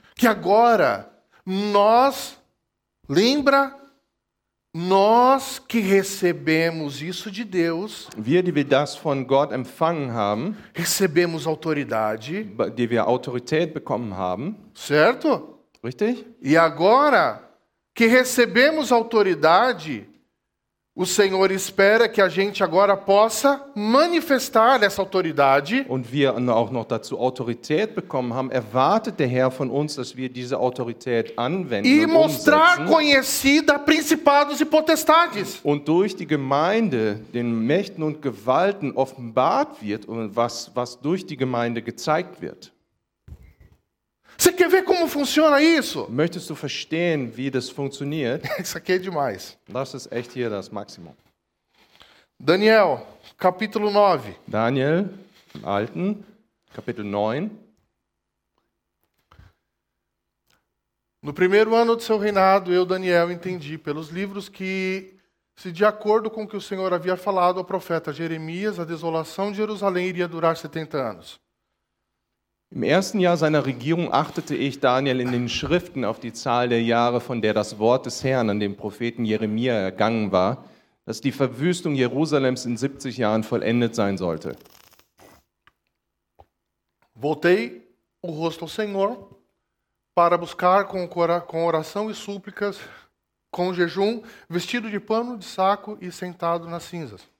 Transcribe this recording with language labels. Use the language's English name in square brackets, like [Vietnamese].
[Portuguese] Que agora nós, lembra, nós que recebemos isso de Deus, [German] wir, die wir das von Gott empfangen haben, [Portuguese] recebemos autoridade, [German] die wir Autorität bekommen haben, [Portuguese] certo? [German] Richtig? [Portuguese] E agora que recebemos autoridade, o Senhor espera que a gente agora possa manifestar essa autoridade. [German] Und wir auch noch dazu Autorität bekommen haben, erwartet der Herr von uns, dass wir diese Autorität anwenden [Portuguese] e mostrar conhecida a principados e potestades. [German] Und durch die Gemeinde den Mächten und Gewalten offenbart wird und was durch die Gemeinde gezeigt wird. [Portuguese] Você quer ver como funciona isso? [German] Möchtest du verstehen, wie das funktioniert? [Portuguese] Isso aqui é demais. [German] Das ist echt hier das Maximum. [Portuguese] Daniel, capítulo 9. [German] Daniel, im Alten, Kapitel 9. [Portuguese] No primeiro ano do seu reinado, eu, Daniel, entendi pelos livros que, se de acordo com o que o Senhor havia falado ao profeta Jeremias, a desolação de Jerusalém iria durar 70 anos. [German] Im ersten Jahr seiner Regierung achtete ich, Daniel, in den Schriften auf die Zahl der Jahre, von der das Wort des Herrn an den Propheten Jeremia ergangen war, dass die Verwüstung Jerusalems in 70 Jahren vollendet sein sollte. [Portuguese] Voltei o rosto ao Senhor para buscar com oração e súplicas, com jejum, vestido de pano de saco e sentado nas cinzas.